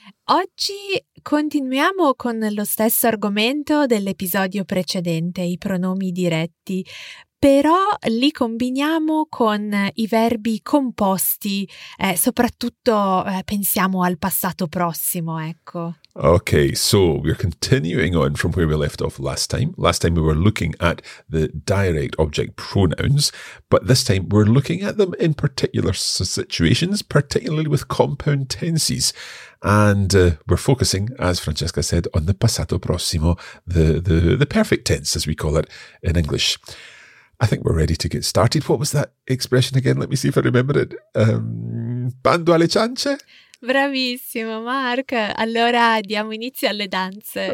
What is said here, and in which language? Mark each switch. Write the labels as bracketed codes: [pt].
[it] Oggi continuiamo con lo stesso argomento dell'episodio precedente, i pronomi diretti, però li combiniamo con i verbi composti, soprattutto pensiamo al passato prossimo, ecco. [en] Okay, so we're continuing on from where we left off last time. Last time we were looking at the direct object pronouns, but this time we're looking at them in particular situations, particularly with compound tenses. And we're focusing, as Francesca said, on the passato prossimo, the perfect tense, as we call it in English. I think we're ready to get started. What was that expression again? Let me see if I remember it. [it] Bando alle ciance? Bravissimo, Mark. Allora diamo inizio alle danze.